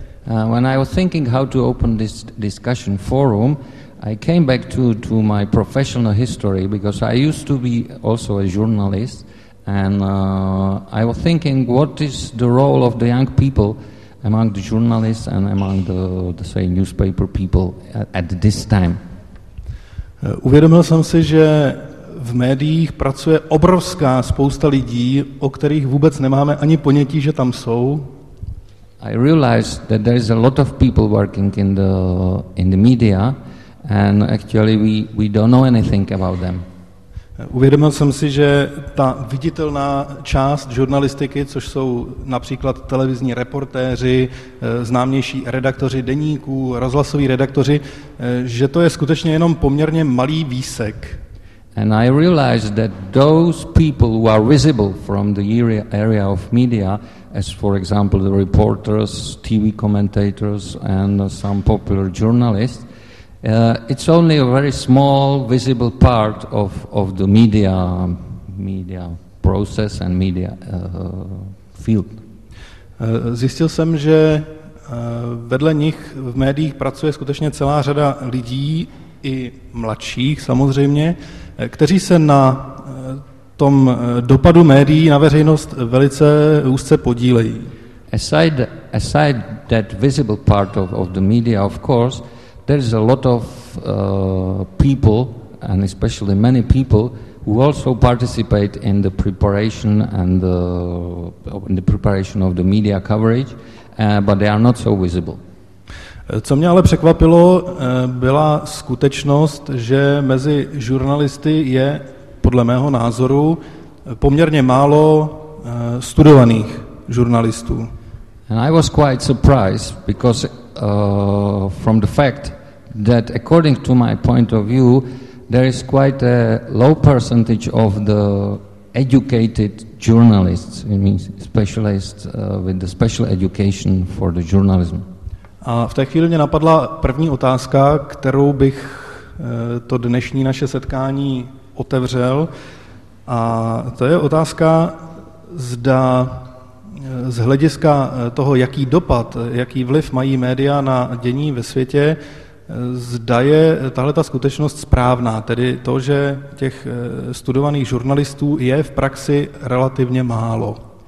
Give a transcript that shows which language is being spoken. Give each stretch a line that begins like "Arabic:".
English: When I was thinking how to open this discussion forum, I came back to my professional history because I used to be also a journalist, and I was thinking what is the role of the young people among the journalists and among the say newspaper people at this time.
Czech: Uvědomil jsem si, že v médiích pracuje obrovská spousta lidí, o kterých vůbec nemáme ani ponětí, že tam jsou.
English: I realized that there is a lot of people working in the media. And actually we don't know anything about them.
Czech: Uvědomil jsem si, že ta viditelná část žurnalistiky, což jsou například televizní reportéři, známější redaktoři deníků, rozhlasoví redaktoři, že to je skutečně jenom poměrně malý výsek.
English: And I realized that those people who are visible from the area of media, as for example the reporters, TV commentators and some popular journalists, it's only a very small visible part of the media process and media field.
Czech: Zjistil jsem, že vedle nich v médiích pracuje skutečně celá řada lidí, i mladších samozřejmě, kteří se na tom dopadu médií na veřejnost velice úzce podílejí.
English: Aside that visible part of the media, of course, there is a lot of people, and especially many people, who also participate in the preparation and in the preparation of the media coverage, but they are not so visible.
Czech: Co mě ale překvapilo, byla skutečnost, že mezi žurnalisty je, podle mého názoru, poměrně málo studovaných žurnalistů.
English: And I was quite surprised because from the fact that according to my point of view, there is quite a low percentage of the educated journalists, I mean specialists with the special education for the journalism.
Czech: A v té chvíli mě napadla první otázka, kterou bych to dnešní naše setkání otevřel. A to je otázka, zda z hlediska toho, jaký dopad, jaký vliv mají média na dění ve světě, zda je tahle ta skutečnost správná, tedy to, že těch studovaných žurnalistů je v praxi relativně málo.